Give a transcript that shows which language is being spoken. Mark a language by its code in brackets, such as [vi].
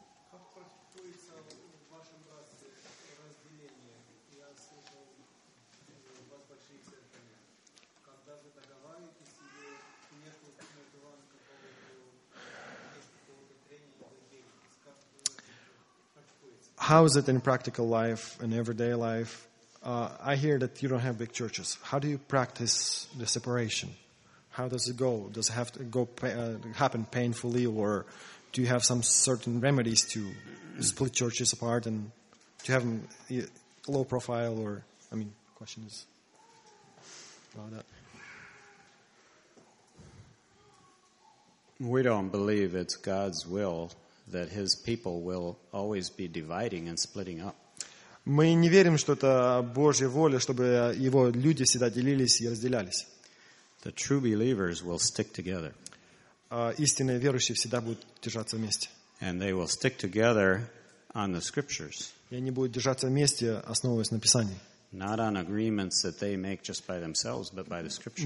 [ru] Как практикуется в вашем брате разделение? Я слышал, у вас большие церкви. Когда вы договариваетесь, или нет между вами какого-то трения, как практикуется? [en] How is it in practical life, in everyday life? I hear that you don't have big churches. How do you practice the separation? How does it go? Does it have to go happen painfully, or do you have some certain remedies to split churches apart and to have them low profile? Or I mean, the question is about that. We don't believe it's God's will that His people will always be dividing and splitting up. [ru] Мы не верим, что это Божья воля, чтобы Его люди всегда делились и разделялись. [en] The true believers will stick together. [ru] Истинные верующие всегда будут держаться вместе. [en] And they will stick together on the scriptures. [ru] И они будут держаться вместе, основываясь на Писании. [en] Not on agreements that they make just by themselves, but by the scriptures.